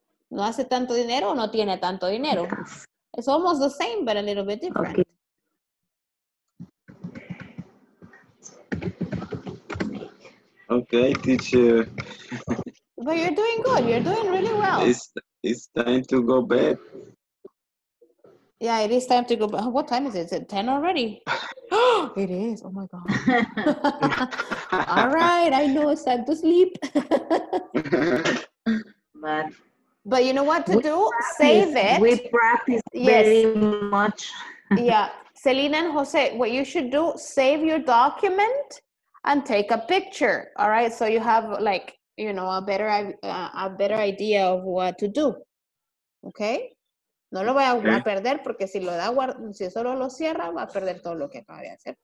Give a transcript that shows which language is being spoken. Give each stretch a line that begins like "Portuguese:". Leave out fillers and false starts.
Spanish: No hace tanto dinero o no tiene tanto dinero.
English: It's almost the same, but a little bit different. Okay. Okay, teacher. But you're doing good. You're doing really well. It's time to go bed. Yeah, it is time to go back. What time is it? Is it 10 already? It is. Oh, my God. All right. I know it's time to sleep. But you know what to do? Save it. We practice very much. Yeah. Celina and Jose, what you should do, save your document and take a picture, all right? So you have, like, you know, a better idea of what to do, okay?
Spanish: No lo voy a perder porque si lo da, si solo lo cierra, va a perder todo lo que acaba de hacer.